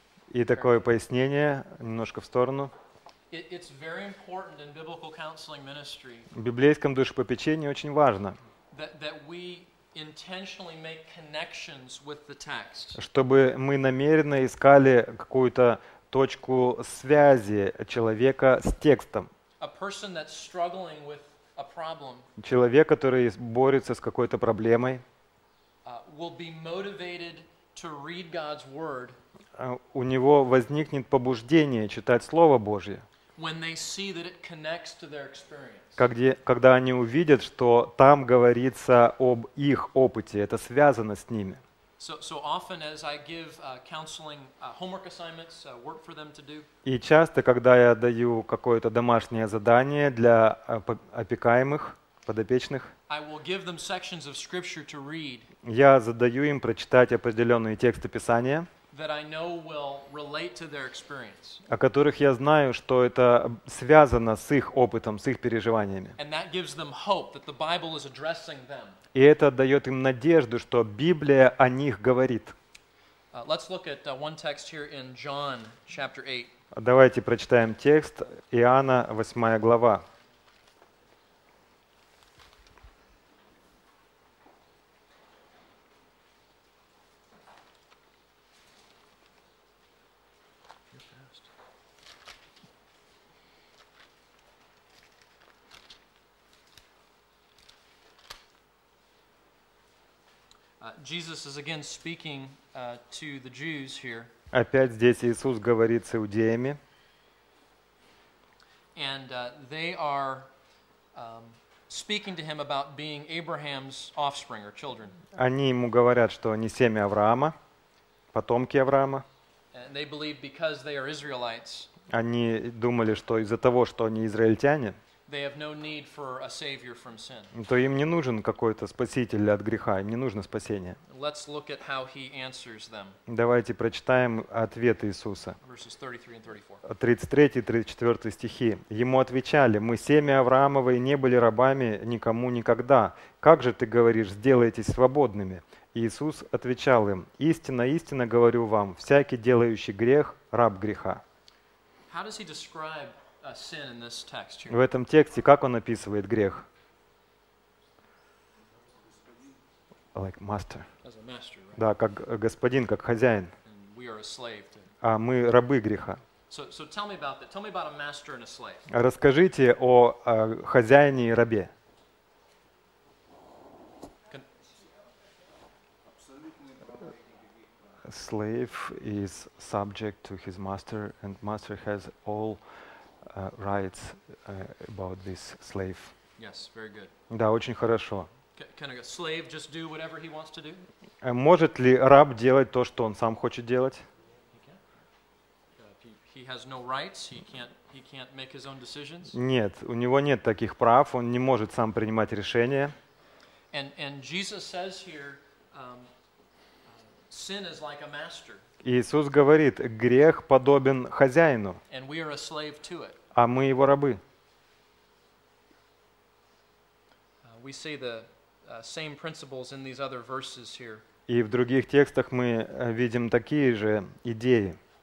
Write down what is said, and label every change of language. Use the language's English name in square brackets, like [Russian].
[Russian] И такое пояснение немножко в сторону. [English] It's very important in biblical counseling ministry. [Russian] В библейском душепопечении очень важно, [English] that we intentionally make connections with the text. [Russian] Чтобы мы намеренно искали какую-то точку связи человека с текстом. [English] A person that's struggling with a problem. [Russian] Человек, который борется с какой-то проблемой, [English] will be motivated to read God's word. [Russian] У него возникнет побуждение читать Слово Божье. [English] When they see that it connects to their experience. [Russian] Когда они увидят, что там говорится об их опыте, это связано с ними. [English] So often as I give counseling homework assignments, work for them to do. [Russian] И часто, когда я даю какое-то домашнее задание для опекаемых, подопечных, [English] I will give them sections of scripture to read. [Russian] Я задаю им прочитать определенные тексты Писания. [English] That I know will relate to their experience. [Russian] О которых я знаю, что это связано с их опытом, с их переживаниями. [English] And that gives them hope that the Bible is addressing them. [Russian] И это дает им надежду, что Библия о них говорит. [English] Let's look at one text here in John chapter 8. [Russian] Давайте прочитаем текст Иоанна 8 глава. [English] Jesus is again speaking to the Jews here. [Russian] Опять здесь Иисус говорит с иудеями. [English] And they are speaking to him about being Abraham's offspring or children. [Russian] Они ему говорят, что они семя Авраама, потомки Авраама. [English] And they believe because they are Israelites. [Russian] Они думали, что из-за того, что они израильтяне. [English] They have no need for a savior from sin. [Russian] То им не нужен какой-то спаситель от греха, им не нужно спасение. [English] Let's look at how he answers them. [Russian] Давайте прочитаем ответ Иисуса. [English] Verses 33 and [Russian] 34. 33 и 34 стихи. Ему отвечали: «Мы семя Авраамово и не были рабами никому никогда. Как же ты говоришь, сделайтесь свободными?» Иисус отвечал им: «Истинно, истинно говорю вам, всякий делающий грех – раб греха». [English] How does he describe sin in this text here. [Russian] В этом тексте как он описывает грех? [English] Like master. As a master, right? [Russian] Да, как господин, как хозяин. [English] And we are a slave to... [Russian] А мы рабы греха. [English] So tell me about that. Tell me about a master and a slave. [Russian] Расскажите о хозяине и рабе. [English] Slave is subject to his master, and master has all rights about this slave. Yes, very good. [Russian] Да, очень хорошо. [English] Can a slave just do whatever he wants to do? [Russian] Может ли раб делать то, что он сам хочет делать? [English] He has no rights. He can't make his own decisions. [Russian] Нет, у него нет таких прав. Он не может сам принимать решения. [English] And Jesus says here, sin is like a master. [Russian] Иисус говорит, грех подобен хозяину, а мы его рабы. И в других текстах мы видим такие же идеи.